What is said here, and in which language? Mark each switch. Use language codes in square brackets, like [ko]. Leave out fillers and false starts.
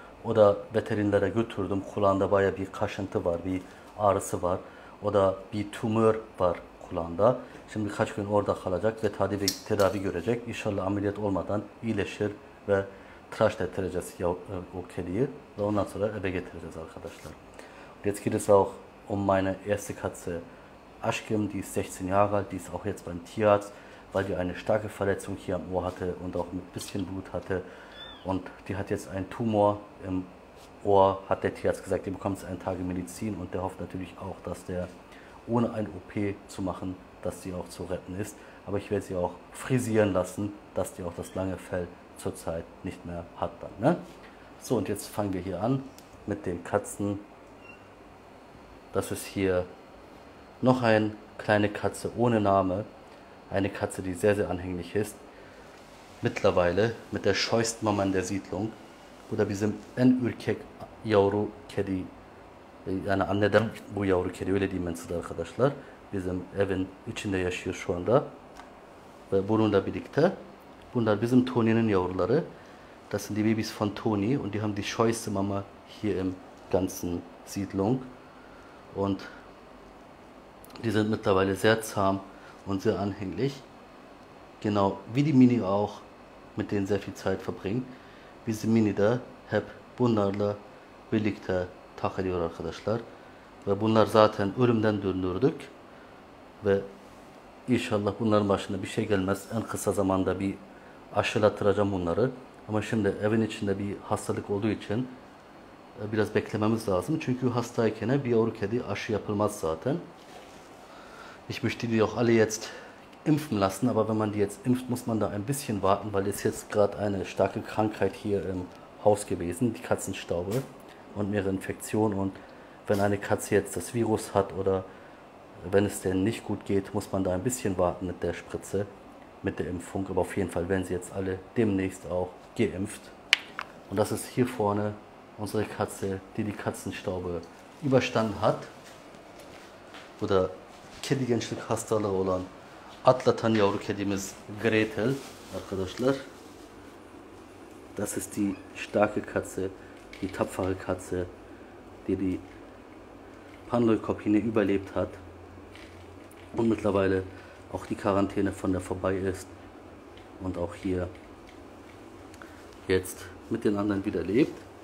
[tr] O da veterinlere götürdüm. Kulağında baya bir kaşıntı var, bir ağrısı var. O da bir tümör var kulağında. Şimdi birkaç gün orada kalacak ve tedavi görecek. İnşallah ameliyat olmadan iyileşir ve tıraş ettireceğiz o kediyi ve ondan sonra eve getireceğiz arkadaşlar. [de] Jetzt geht es auch um meine erste Katze Aşkım, die ist 16 Jahre alt, die ist auch jetzt beim Tierarzt, weil die eine starke Verletzung hier am Ohr hatte und auch ein bisschen Blut hatte. Und die hat jetzt einen Tumor im Ohr, hat der Tierarzt gesagt, die bekommt jetzt einen Tage Medizin und der hofft natürlich auch, dass der ohne ein OP zu machen, dass sie auch zu retten ist. Aber ich werde sie auch frisieren lassen, dass die auch das lange Fell zurzeit nicht mehr hat dann, ne? So, und jetzt fangen wir hier an mit den Katzen. Das ist hier noch eine kleine Katze ohne Name. Eine Katze, die sehr, sehr anhänglich ist. Mittlerweile mit der scheuesten Mama in der Siedlung. [tr] Bu da bizim en ürkek yavru kedi. Yani anneden bu yavru kedi. Öyle diyeyim ben size arkadaşlar. Bizim evin içinde yaşıyor şu anda. Ve bununla birlikte. Bunlar bizim Toni'nin yavruları. [de] Das sind die Babys von Toni. Und die haben die scheuesten Mama hier im ganzen Siedlung. Und die sind mittlerweile sehr zahm und sehr anhänglich. Genau wie die Mini auch, mit denen sehr viel Zeit verbringen. [tr] Bizim Mini de hep bunlarla birlikte takılıyor arkadaşlar. Ve bunlar zaten ölümden döndürdük. Ve inşallah bunların başına bir şey gelmez. En kısa zamanda bir aşılattıracağım bunları. Ama şimdi evin içinde bir hastalık olduğu için biraz beklememiz lazım. Çünkü hastayken bir yavru kedi aşı yapılmaz zaten. [de] Ich möchte die auch alle jetzt impfen lassen, aber wenn man die jetzt impft, muss man da ein bisschen warten, weil es jetzt gerade eine starke Krankheit hier im Haus gewesen, die Katzenstaube und mehrere Infektionen. Und wenn eine Katze jetzt das Virus hat oder wenn es denen nicht gut geht, muss man da ein bisschen warten mit der Spritze, mit der Impfung. Aber auf jeden Fall werden sie jetzt alle demnächst auch geimpft. Und das ist hier vorne unsere Katze, die die Katzenstaube überstanden hat. Oder [tr] kedi gençlik hastalığı olan atlatan yavru kedimiz Gretel arkadaşlar. [de] Das ist die starke Katze, die tapfere Katze, die die Pannleukopfie überlebt hat und mittlerweile auch die Quarantäne von der vorbei ist und auch hier jetzt mit den anderen wieder lebt.